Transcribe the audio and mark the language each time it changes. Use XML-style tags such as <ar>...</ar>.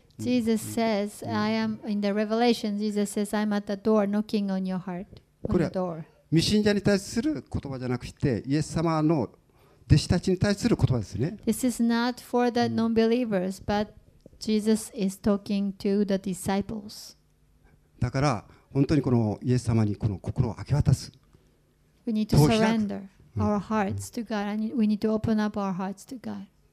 <en>Jesus says, "I am in the Revelation." Jesus says, "I'm at the door, knocking on your heart."</en> <ja>これは未信者に対する言葉じゃなくて、イエス様の弟子たちに対する言葉ですね。</ja> <en>This is not for the non-believers, but Jesus is talking to the disciples.</en> <ja>だから本当にこのイエス様にこの心を明け渡す。</ja> <en>We need to surrender our hearts to God. We need to open up our hearts to God.</en>